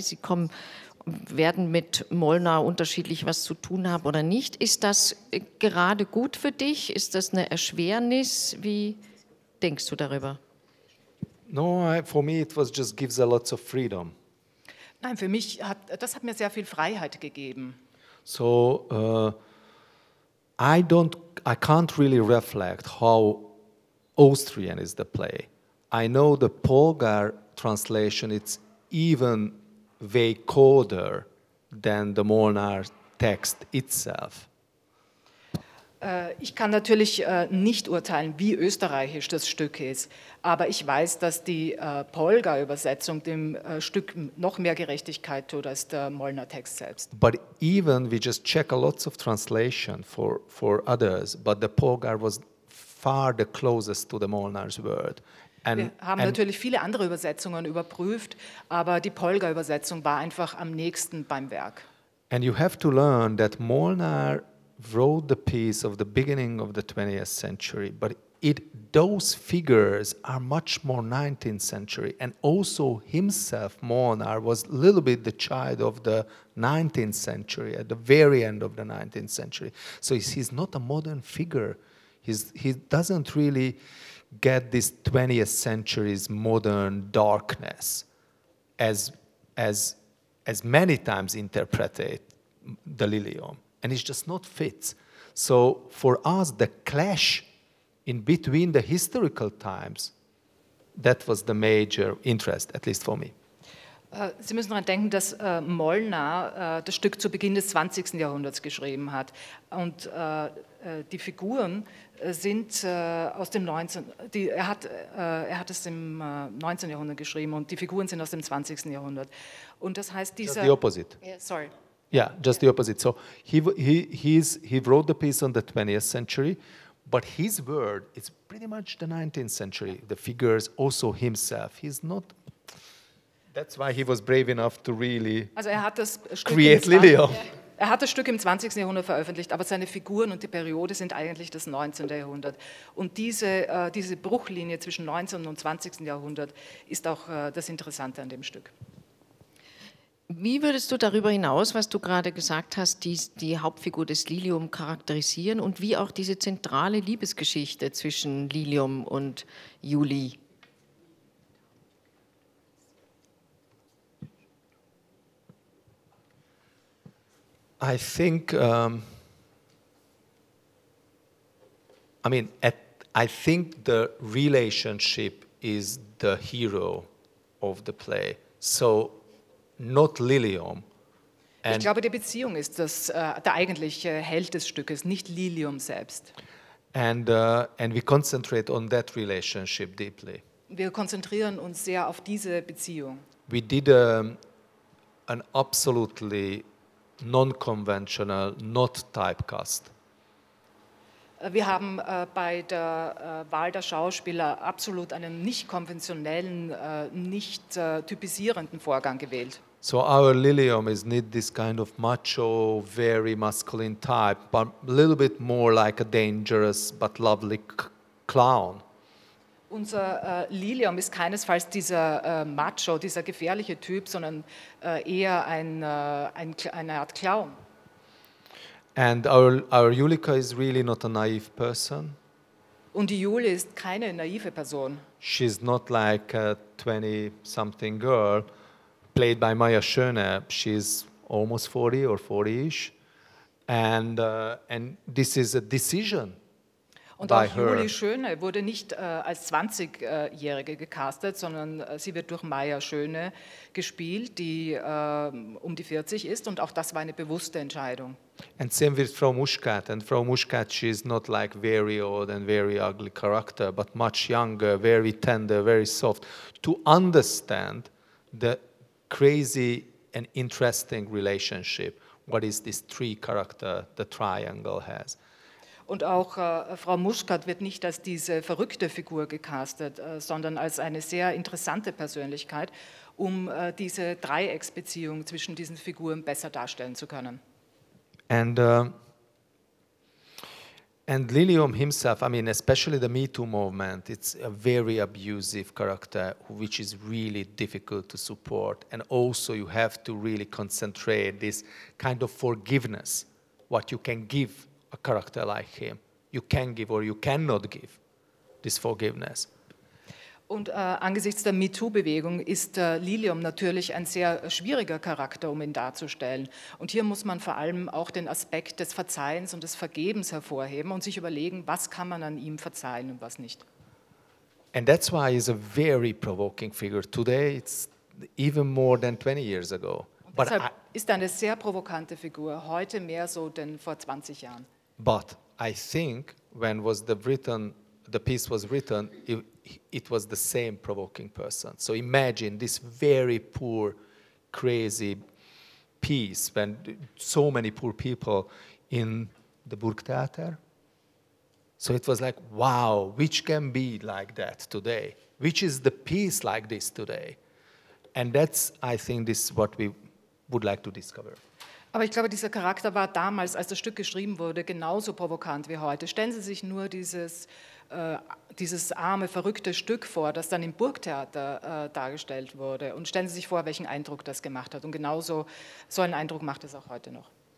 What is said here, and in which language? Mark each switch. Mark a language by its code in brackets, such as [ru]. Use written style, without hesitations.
[de] Sie kommen, werden mit Molnar unterschiedlich was zu tun haben oder nicht. Ist das gerade gut für dich? Ist das eine Erschwernis? Wie denkst du darüber? [en] No, for me it was just gives a lot of freedom. [de] Nein, für mich hat mir sehr viel Freiheit gegeben. [en] So, I can't really reflect how Austrian is the play. I know the Polgár translation, it's even way colder than the Molnár text itself. [de] Ich kann natürlich nicht urteilen, wie österreichisch das Stück ist, aber ich weiß, dass die Polgár-Übersetzung dem Stück noch mehr Gerechtigkeit tut als der Molnár text selbst. [en] But even we just check a lot of translation for others, but the Polgár was far the closest to the Molnár's word. [de] Wir haben natürlich viele andere Übersetzungen überprüft, aber die Polga-Übersetzung war einfach am nächsten beim Werk. [en] And you have to learn that Molnar wrote the piece of the beginning of the 20th century, but those figures are much more 19th century, and also himself, Molnar, was a little bit the child of the 19th century, at the very end of the 19th century. So he's not a modern figure. He doesn't really get this 20th century's modern darkness as many times interpreted the Lilium, and it just not fits. So for us the clash in between the historical times, that was the major interest, at least for me. [de] Sie müssen daran denken, dass Molnár das Stück zu Beginn des 20. Jahrhunderts geschrieben hat. Und die Figuren sind aus dem 19. Die, er hat es im 19. Jahrhundert geschrieben und die Figuren sind aus dem 20. Jahrhundert. Und das heißt dieser... [en] Just the opposite. Yeah, sorry. Yeah, just the opposite. So he wrote the piece on the 20th century, but his world is pretty much the 19th century. The figures, also himself, he's not... That's why he was brave enough to really [de] also er hat das Stück [en] create Lilio. [de] Er hat das Stück im 20. Jahrhundert veröffentlicht, aber seine Figuren und die Periode sind eigentlich das 19. Jahrhundert. Und diese Bruchlinie zwischen 19. und 20. Jahrhundert ist auch das Interessante an dem Stück. Wie würdest du darüber hinaus, was du gerade gesagt hast, die Hauptfigur des Lilium charakterisieren und wie auch diese zentrale Liebesgeschichte zwischen Lilium und Juli? [en] I think, I think the relationship is the hero of the play. So, not Lilium. [de] Ich glaube, die Beziehung ist das der eigentliche Held des Stückes, nicht Lilium selbst. [en] And we concentrate on that relationship deeply. [de] Wir konzentrieren uns sehr auf diese Beziehung. [en] We did an absolutely non-conventional, not typecast. [de] Wir haben bei der Wahl der Schauspieler absolut einen nicht konventionellen, nicht typisierenden Vorgang gewählt. [en] So our Lilium is not this kind of macho, very masculine type, but a little bit more like a dangerous but lovely clown. [de] Unser Lilium ist keinesfalls dieser Macho, dieser gefährliche Typ, sondern eher eine Art Clown. [en] And our Julika is really not a naive person. [de] Und die Julie ist keine naive Person. [en] She's not like a 20-something girl played by Maya Schöne. She's almost 40 or 40-ish. And this is a decision. [de] Und auch Julie Schöne wurde nicht als 20-Jährige gecastet, sondern sie wird durch Maya Schöne gespielt, die um die 40 ist. Und auch das war eine bewusste Entscheidung. [en] And same with Frau Muschkat. And Frau Muschkat, she is not like very old and very ugly character, but much younger, very tender, very soft. To understand the crazy and interesting relationship, what is this three character the triangle has. [de] Und auch Frau Muschkat wird nicht als diese verrückte Figur gecastet, sondern als eine sehr interessante Persönlichkeit, um diese Dreiecksbeziehung zwischen diesen Figuren besser darstellen zu können. [en] And Lilium himself, I mean, especially the Me Too movement, it's a very abusive character, which is really difficult to support. And also you have to really concentrate this kind of forgiveness, what you can give a character like him. You can give or you cannot give this forgiveness. [de] Und angesichts der MeToo-Bewegung ist Lilium natürlich ein sehr schwieriger Charakter, um ihn darzustellen. Und hier muss man vor allem auch den Aspekt des Verzeihens und des Vergebens hervorheben und sich überlegen, was kann man an ihm verzeihen und was nicht. [en] And that's why he's a very provoking figure. Today it's even more than 20 years ago. [de] But deshalb ist eine sehr provokante Figur, heute mehr so denn vor 20 Jahren. [en] But I think when was the piece was written, it was the same provoking person. So imagine this very poor, crazy piece when so many poor people in the Burgtheater. So it was like, wow, which can be like that today? Which is the piece like this today? And that's, I think, this is what we would like to discover. [de] Aber ich glaube, dieser Charakter war damals, als das Stück geschrieben wurde, genauso provokant wie heute. Stellen Sie sich nur dieses arme, verrückte Stück vor, das dann im Burgtheater dargestellt wurde. Und stellen Sie sich vor, welchen Eindruck das gemacht hat. Und genauso so einen Eindruck macht es auch heute noch.